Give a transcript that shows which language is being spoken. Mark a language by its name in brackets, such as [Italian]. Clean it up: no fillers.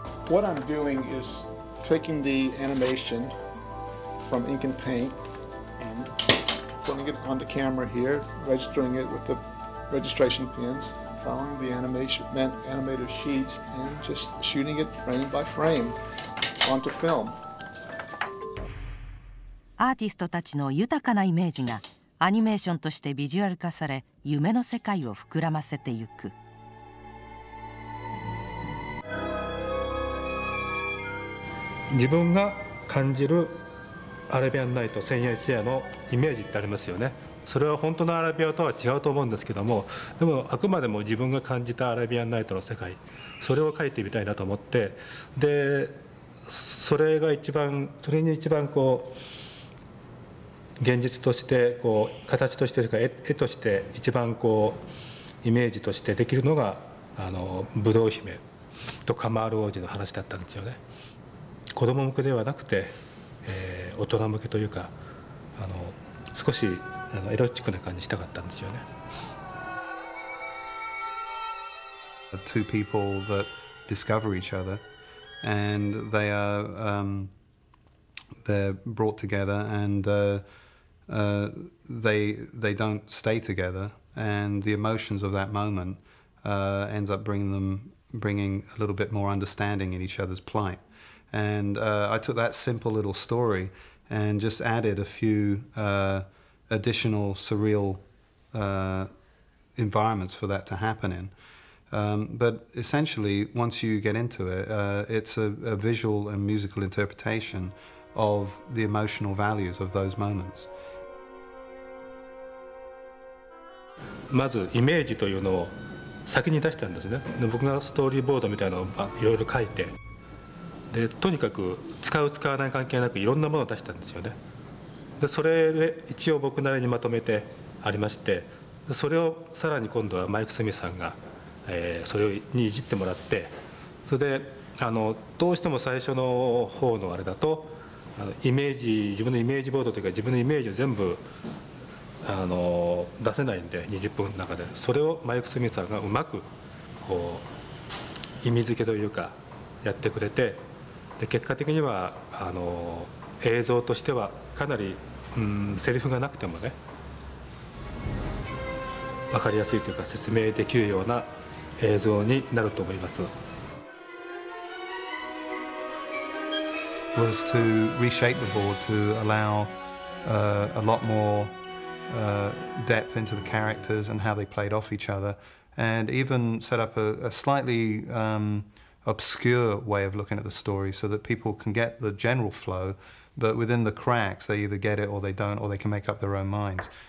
[English] What I'm doing is taking the animation from ink and paint and putting it on the camera here, registering it with the registration pins, following the animator sheets, and just shooting it frame by frame onto film. [Japanese] アーティストたちの豊かなイメージがアニメーションとしてビジュアル化され、夢の世界を膨らませていく。自分が感じるアラビアンナイト、千夜一夜のイメージってありますよね。それは本当のアラビアとは違うと思うんですけども、でもあくまでも自分が感じたアラビアンナイトの世界、それを描いてみたいなと思って、でそれが一番、それに一番こう現実として、こう形としてというか、 絵として一番こうイメージとしてできるのが、あのブドウ姫とカマール王子の話だったんですよね。子ども向けではなくて、大人向けというか、あの少しあのエロチックな感じしたかったんですよね。 [English] Two people that discover each other and they are、they're brought together and they don't stay together and the emotions of that moment、ends up bringing a little bit more understanding in each other's plight. And、I took that simple little story and just added a few、additional surreal、environments for that to happen in.、but essentially, once you get into it,、it's a visual and musical interpretation of the emotional values of those moments. [Japanese] まずイメージというのを先に出したんですね。で、僕がストーリーボードみたいなのをいろいろ書いて、でとにかく使う使わない関係なくいろんなものを出したんですよね。でそれで一応僕なりにまとめてありまして、それをさらに今度はマイク・スミスさんが、それにいじってもらって、それであのどうしても最初の方のあれだと、あのイメージ、自分のイメージボードというか自分のイメージを全部あの出せないんで20分の中で、それをマイク・スミスさんがうまくこう意味付けというかやってくれて、で結果的にはあの映像としてはかなり、セリフがなくてもね、分かりやすいというか説明できるような映像になると思います。 [English] was to reshape the board to allow、a lot more、depth into the characters and how they played off each other and even set up a slightly、obscure way of looking at the story so that people can get the general flow, but within the cracks they either get it or they don't, or they can make up their own minds.